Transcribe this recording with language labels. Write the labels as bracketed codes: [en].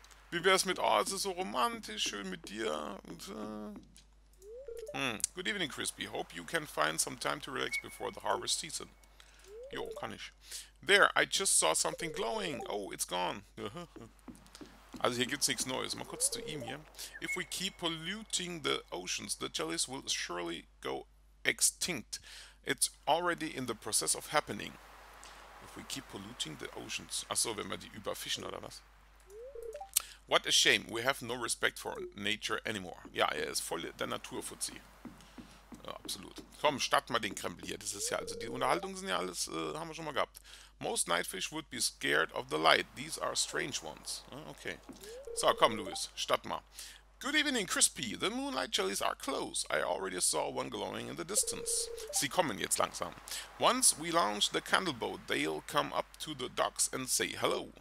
[de] Wie wär's mit, oh, es ist so romantisch, schön mit dir. [en] Und, good evening, Crispy. Hope you can find some time to relax before the harvest season. [de] Jo, kann ich. [en] There, I just saw something glowing. Oh, it's gone. [de] Also hier gibt's nichts Neues. Mal kurz zu ihm hier. [en] If we keep polluting the oceans, the jellies will surely go extinct. It's already in the process of happening. If we keep polluting the oceans. [de] Achso, wenn wir die überfischen oder was? [en] What a shame, we have no respect for nature anymore. [de] Ja, er ist voll der Naturfuzzi. Ja, absolut. Komm, start mal den Krempel hier. Das ist ja, also die Unterhaltungen sind ja alles, haben wir schon mal gehabt. [en] Most nightfish would be scared of the light. These are strange ones. Okay. [de] So, komm, Louis, start mal. [en] Good evening, Crispy. The moonlight jellies are close. I already saw one glowing in the distance. [de] Sie kommen jetzt langsam. [en] Once we launch the candle boat, they'll come up to the docks and say hello.